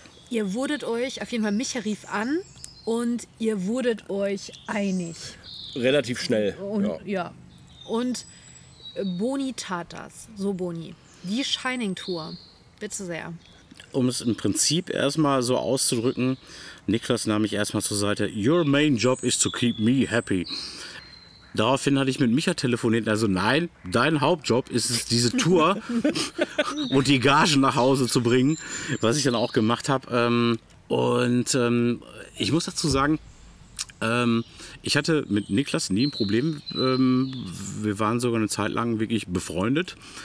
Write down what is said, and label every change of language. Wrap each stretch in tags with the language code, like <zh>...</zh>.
<de>Ihr wurdet euch, auf jeden Fall Micha rief an und ihr wurdet euch einig. Relativ schnell. Und ja. Und Boni tat das. So, Boni. Die Shining-Tour. Bitte sehr. Um es im Prinzip erstmal so auszudrücken, Niklas nahm mich erstmal zur Seite.</de> <en>Your main job is to keep me happy.</en> <de>Daraufhin hatte ich mit Micha telefoniert. Also nein, dein Hauptjob ist es, diese Tour und die Gagen nach Hause zu bringen. Was ich dann auch gemacht habe. Und ich muss dazu sagen, ich hatte mit Niklas nie ein Problem. Wir waren sogar eine Zeit lang wirklich befreundet.</de>